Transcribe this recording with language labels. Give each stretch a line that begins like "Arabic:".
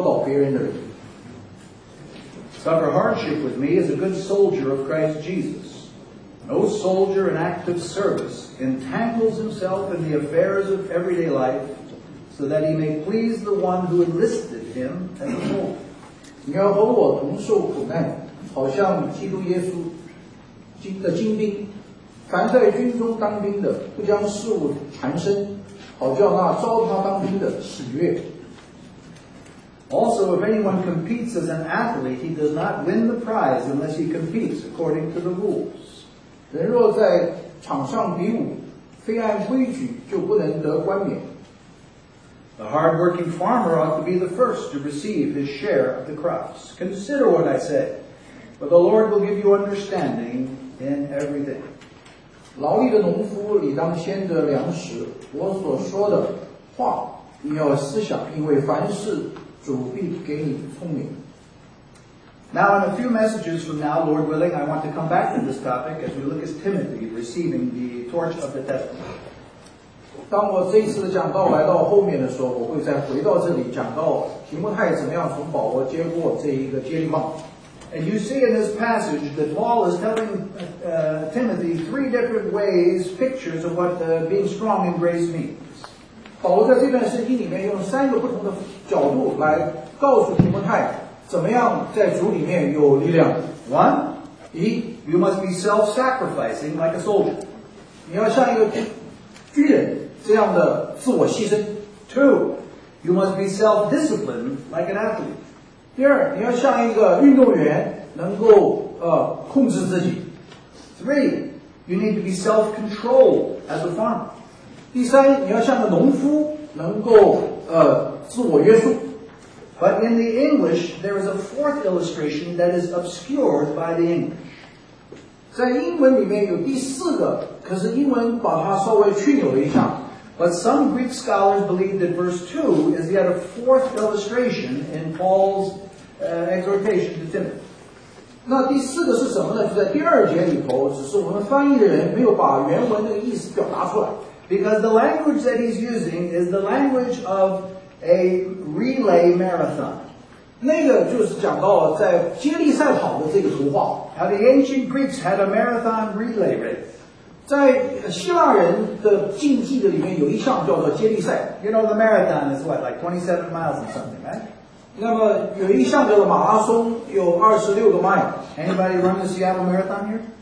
Chinese: 我儿啊，你要在基督耶稣的恩典上刚强起来，你在许多见证人面前听见我所教训的，你要交托那忠心能教导别人的人。
English: Suffer hardship with me as a good soldier of Christ Jesus. No soldier in active service entangles himself in the affairs of everyday life, so that he may please the one who enlisted him as a soldier.
Chinese: 你要和我同受苦难，好像基督耶稣经的精兵。凡在军中当兵的，不将事务缠身，好叫那招他当兵的喜悦。
English: Also, if anyone competes as an athlete, he does not win the prize unless he competes according to the rules.
Chinese: 人若在场上比武，非按规矩，就不能得冠冕。
English: The hard-working farmer ought to be the first to receive his share of the crops. Consider what I say, for the Lord will give you understanding in everything.
Chinese: 劳役的农夫理当先得粮食，我所说的话你要思想，因为凡事主必给你聪明。
English: Now, in a few messages from now, Lord willing, I want to come back to this topic as we look at Timothy receiving the torch of the testimony.
Chinese: 当我这一次的讲道来到后面的时候，我会再回到这里讲到提摩太怎么样从保罗接过这一个接力棒。
English: And you see in this passage that Paul is telling Timothy three different ways, pictures of what being strong in grace means.
Chinese: 保罗在这段圣经里面用三个不同的角度来告诉提摩太怎么样在主里面有力量。
English: One, you must be self-sacrificing like a soldier.
Chinese: 你要像一个军人这样的自我牺牲。
English: Two, you must be self-disciplined like an athlete.
Chinese: 第二，你要像一个运动员，能够控制自己。
English: Three, you need to be self-controlled as a farmer.
Chinese: 第三，你要像个农夫，能够自我约束。
English: But in the English, there is a fourth illustration that is obscured by the English.
Chinese: 在英文里面有第四个，可是英文把它稍微去扭了一下。
English: But some Greek scholars believe that verse 2 is yet a fourth illustration in Paul's exhortation to Timothy.
Chinese: 那第四个是什么呢？就在第二节里头，只是我们翻译的人没有把原文的意思表达出来。
English: Because the language that he's using is the language of a relay marathon.
Chinese: 那个就是讲到在接力赛跑的这个图画。
English: Now the ancient Greeks had a marathon relay race.
Chinese: 在希腊人的竞技的里面有一项叫做接力赛。
English: You know the marathon is what, like 27 miles or something, right?
Chinese: 那么有一项叫做马拉松，有26个 mile.
English: Anybody run the Seattle Marathon here?